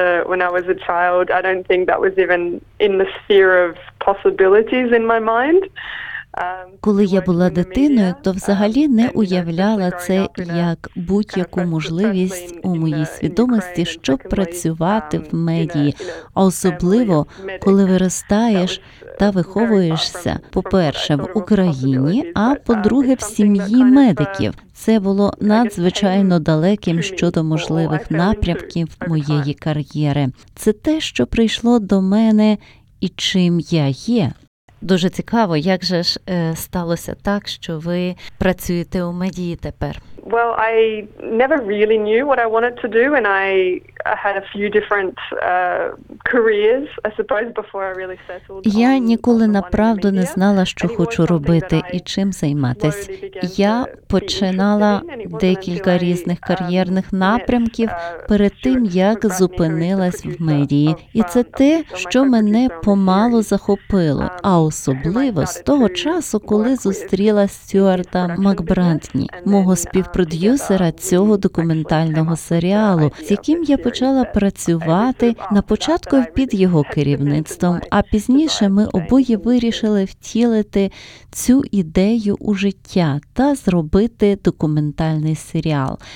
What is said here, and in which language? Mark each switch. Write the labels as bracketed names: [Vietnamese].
[English] When I was a child, I don't think that was even in the sphere of possibilities in my mind. [Ukrainian] Коли я була дитиною, то взагалі не уявляла це як будь-яку можливість у моїй свідомості, щоб працювати в медії. А особливо, коли виростаєш та виховуєшся, по-перше, в Україні, а по-друге, в сім'ї медиків. Це було надзвичайно далеким щодо можливих напрямків моєї кар'єри. Це те, що прийшло до мене і чим я є. Дуже цікаво, як же ж сталося так, що ви працюєте у медії тепер? [English] Well, I never really knew what I wanted to do, and I had a few different careers, I suppose, before I really settled. [Ukrainian] Я ніколи направду не знала, що хочу робити і чим займатись. Я починала декілька різних кар'єрних напрямків перед тим, як зупинилась в медії. І це те, що мене помало захопило, а особливо з того часу, коли зустріла Стюарта Макбрантні, мого співпродюсера цього документального серіалу, з яким я почала працювати на початку під його керівництвом, а пізніше ми обоє вирішили втілити цю ідею у життя та зробити документальний серіал.